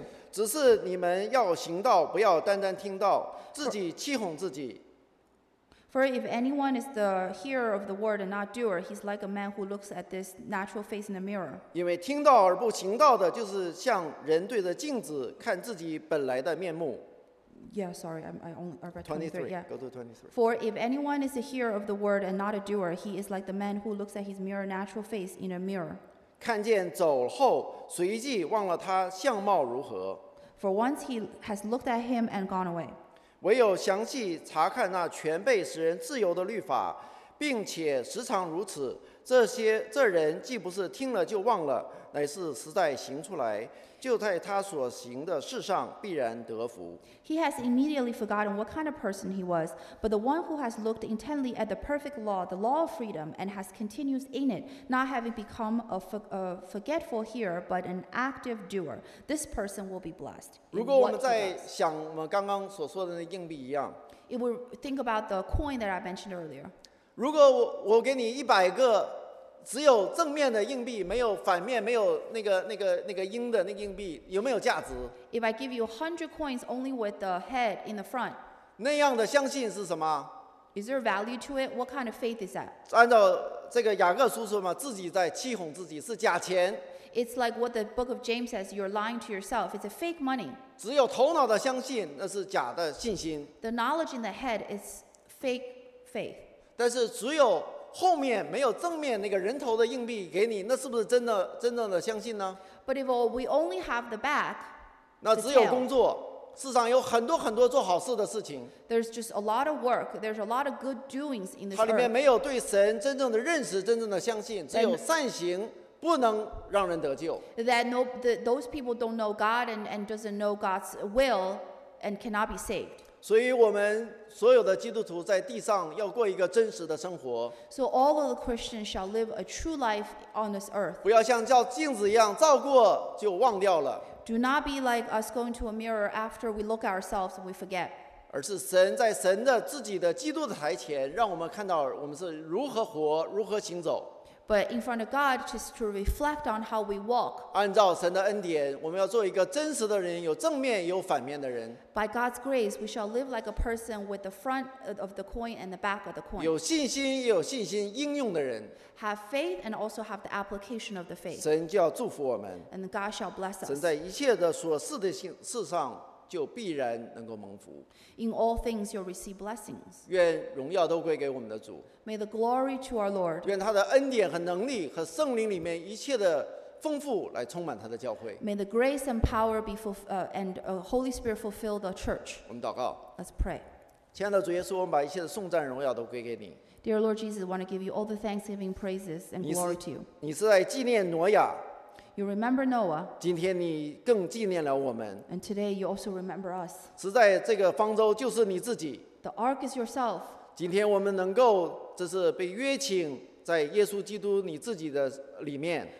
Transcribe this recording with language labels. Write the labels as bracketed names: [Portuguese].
[Chinese] 只是你们要行道，不要单单听道，自己欺哄自己。 [English] For if anyone is the hearer of the word and not doer, he's like a man who looks at this natural face in the mirror. [Chinese] 因为听道而不行道的，就是像人对着镜子看自己本来的面目。 [English] Yeah, sorry, I read 23. Yeah. Go to 23. For if anyone is the hearer of the word and not a doer, he is like the man who looks at his mirror natural face in a mirror. [Chinese] 看见走后，随即忘了他相貌如何。 [English] For once he has looked at him and gone away. [Chinese] 唯有详细查看那全备使人自由的律法，并且时常如此，这人既不是听了就忘了，乃是实在行出来，就在他所行的事上必然得福。 [English] He has immediately forgotten what kind of person he was, but the one who has looked intently at the perfect law, the law of freedom, and has continued in it, not having become a forgetful hearer, but an active doer, this person will be blessed. [Chinese] 如果我们在想我们刚刚所说的那硬币一样 [English] ，It will think about the coin that I mentioned earlier. [Chinese] 如果我给你一百个。只有正面的硬币，没有反面，没有那个鹰的那个硬币，有没有价值 [English] ？If I give you 100 coins only with the head in the front， [Chinese] 那样的相信是什么 [English] ？Is there value to it? What kind of faith is that？ [Chinese] 按照这个雅各书说嘛，自己在欺哄自己是假钱。 [English] It's like what the Book of James says: you're lying to yourself. It's a fake money. [Chinese] 只有头脑的相信，那是假的信心。 [English] The knowledge in the head is fake faith. [Chinese] 但是只有后面没有正面那个人头的硬币给你，那是不是真的真正的相信呢 [English] ？But if we only have the back， [Chinese] 那只有工作。世上有很多很多做好事的事情。 [English] There's just a lot of work. There's a lot of good doings in this world. [Chinese] 它里面没有对神真正的认识、真正的相信，只有善行不能让人得救。 [English] That no, that those people don't know God and doesn't know God's will and cannot be saved. [Chinese] 所以我们所有的基督徒在地上要过一个真实的生活。 [English] So all of the Christians shall live a true life on this earth. [Chinese] 不要像照镜子一样照过就忘掉了。 [English] Do not be like us going to a mirror after we look at ourselves and we forget. [Chinese] 而是神在神的自己的基督的台前，让我们看到我们是如何活，如何行走。 [English] But in front of God, just to reflect on how we walk. [Chinese] 按照神的恩典，我们要做一个真实的人，有正面也有反面的人。 [English] By God's grace, we shall live like a person with the front of the coin and the back of the coin. [Chinese] 有信心也有信心应用的人。 [English] Have faith and also have the application of the faith. [Chinese] 神就要祝福我们。 [English] And God shall bless us. [Chinese] 神在一切的所事的事上就必然能够蒙福。 [English] In all things, you'll receive blessings. [Chinese] 愿荣耀都归给我们的主。 [English] May the glory to our Lord. [Chinese] 愿他的恩典和能力和圣灵里面一切的丰富来充满他的教会。 [English] May the grace and power be Holy Spirit fulfill the church. [Chinese] 我们祷告。 [English] Let's pray. [Chinese] 亲爱的主耶稣，我们把一切的颂赞荣耀都归给你。 [English] Dear Lord Jesus, I want to give you all the thanksgiving praises and glory to you. [Chinese] 你是在纪念挪亚。 [English] You remember Noah. [Chinese] 今天你更纪念了我们。 [English] And today you also remember us. [Chinese] 实在这个方舟就是你自己。 [English] The ark is yourself. [Chinese] 今天我们能够，这是被约请在耶稣基督你自己的里面。